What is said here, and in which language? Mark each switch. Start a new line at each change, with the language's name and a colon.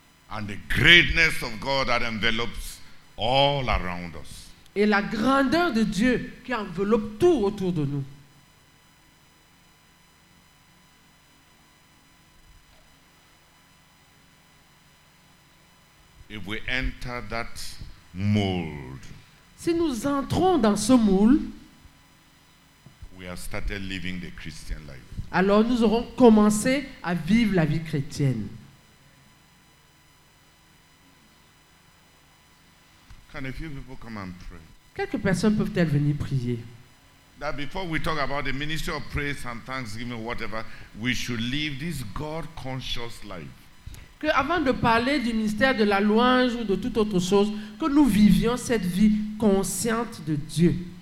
English: And the greatness of God that envelops all around us.
French: Et la grandeur de Dieu qui enveloppe tout autour de nous.
English: If we enter that mold,
French: si nous entrons dans ce moule,
English: we have started living the Christian life.
French: Alors nous aurons commencé à vivre la vie chrétienne.
English: Can a few people come and pray?
French: Quelques personnes peuvent-elles venir prier?
English: That before we talk about the ministry of praise and thanksgiving, whatever, we should live this God-conscious life.
French: Que avant de parler du ministère de la louange ou de toute autre chose, que nous vivions cette vie consciente de Dieu.